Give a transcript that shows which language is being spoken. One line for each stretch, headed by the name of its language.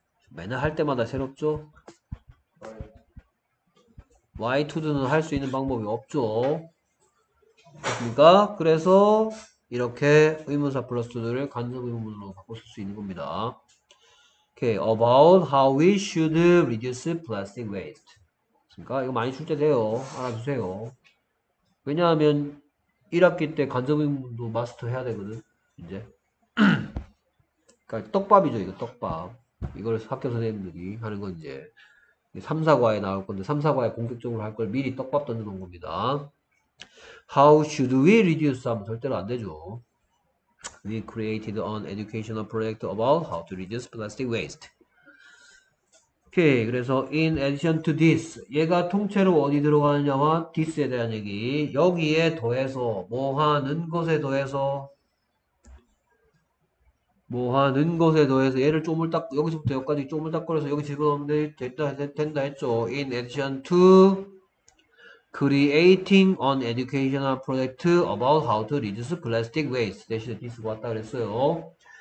Korean: 맨날 할 때마다 새롭죠? Why 투두는 할수 있는 방법이 없죠. 그러니까 그래서 이렇게 의문사 플러스 투두를 간접 의문문으로 바꿔 쓸수 있는 겁니다.
English: Okay, about how we should reduce plastic waste.
Korean: 그러니까 이거 많이 출제돼요. 알아주세요. 왜냐하면 1학기 때 간접 의문문도 마스터 해야 되거든. 이제. 그러니까 떡밥이죠, 이거 떡밥. 이걸 학교 선생님들이 하는 건 이제 3사과에 나올 건데 3사과에 공격적으로 할걸 미리 떡밥 던져 놓은 겁니다.
English: How should we reduce?
Korean: 하면 절대로 안 되죠.
English: We created an educational project about how to reduce plastic waste.
Korean: 오케이. 그래서
English: in addition to this,
Korean: 얘가 통째로 어디 들어가느냐와 this에 대한 얘기. 여기에 더해서 뭐 하는 것에 더해서 뭐 하는 것에 더해서 얘를 조물딱 여기서부터 여기까지 조물딱거려서 여기 집어넣으면 된다 했죠.
English: In addition to creating an educational project about how to reduce plastic waste
Korean: 대신에 this가 왔다 그랬어요.